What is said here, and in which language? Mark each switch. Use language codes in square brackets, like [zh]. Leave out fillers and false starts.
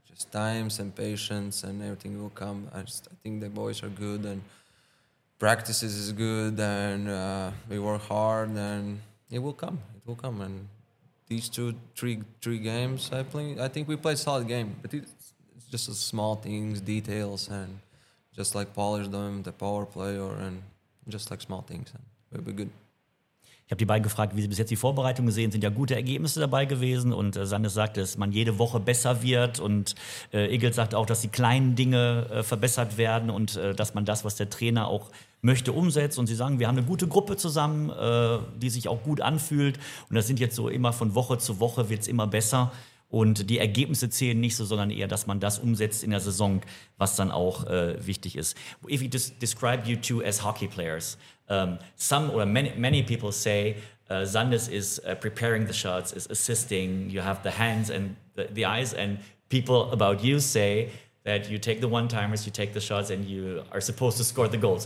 [en] Times and patience and everything will come. I think the boys are good and practices is good and we work hard and it will come. It will come. And these three games, I think we played solid game. But it's just a small things, details, and just like polish them, the power play and just like small things. And we'll be good. [de] Ich habe die beiden gefragt, wie sie bis jetzt die Vorbereitung gesehen sind. Ja, gute Ergebnisse dabei gewesen. Und Sandes sagt, dass man jede Woche besser wird. Und Egil sagt auch, dass die kleinen Dinge verbessert werden und dass man das, was der Trainer auch möchte, umsetzt. Und sie sagen, wir haben eine gute Gruppe zusammen, die sich auch gut anfühlt. Und das sind jetzt so immer von Woche zu Woche wird es immer besser. und die Ergebnisse zählen nicht so, sondern eher, dass man das umsetzt in der Saison, was dann auch wichtig ist. [en] If you describe you two as hockey players, some or many people say Sandis is preparing the shots, is assisting, you have the hands and the eyes, and people about you say that you take the one-timers, you take the shots, and you are supposed to score the goals.